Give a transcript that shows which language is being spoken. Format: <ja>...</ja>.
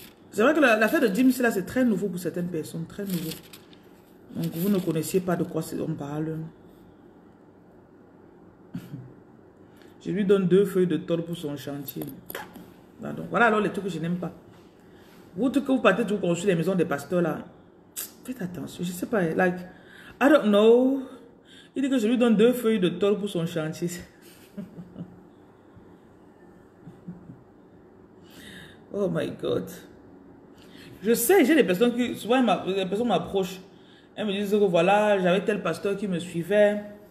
<fr>C'est vrai que l'affaire de dîme, c'est très nouveau pour certaines personnes. Très nouveau. Donc vous ne connaissiez pas de quoi on parle. Je lui donne 2 feuilles de tôle pour son chantier. Pardon. Voilà alors les trucs que je n'aime pas. Vous, tout que vous partez toujours construire les maisons des pasteurs là. Faites attention, je ne sais pas,</fr> <en>like, I don't know.</en> <fr>Il dit que je lui donne 2 feuilles de tôle pour son chantier.</fr> <en>Oh my God.</en> <fr>Je sais, j'ai des personnes qui, souvent, les personnes m'approchent. Elles me disent que voilà, j'avais tel pasteur qui me suivait.</fr>